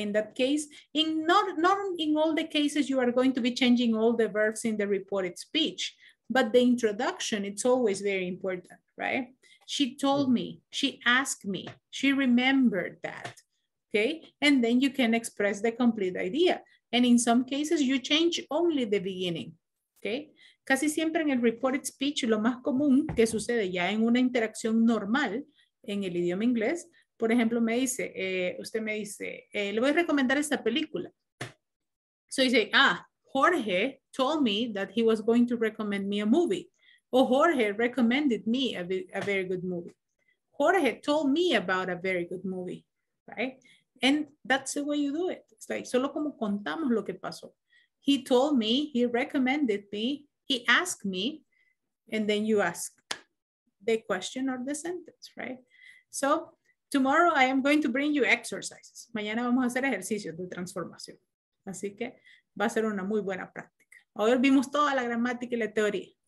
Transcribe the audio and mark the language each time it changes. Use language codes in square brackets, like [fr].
[en] In that case, not in all the cases, you are going to be changing all the verbs in the reported speech, but the introduction, it's always very important, right? She told me, she asked me, she remembered that, okay? And then you can express the complete idea. And in some cases, you change only the beginning, okay? [es] Casi siempre en el reported speech, lo más común que sucede ya en una interacción normal en el idioma inglés, por ejemplo, me dice, usted me dice, le voy a recomendar esta película. [en] So you say, ah, Jorge told me that he was going to recommend me a movie. Or Jorge recommended me a very good movie. Jorge told me about a very good movie, right? And that's the way you do it. It's like, [es] solo como contamos lo que pasó. [en] He told me, he recommended me, he asked me, and then you ask the question or the sentence, right? So tomorrow I am going to bring you exercises. [es] Mañana vamos a hacer ejercicios de transformación. Así que va a ser una muy buena práctica. Hoy vimos toda la gramática y la teoría.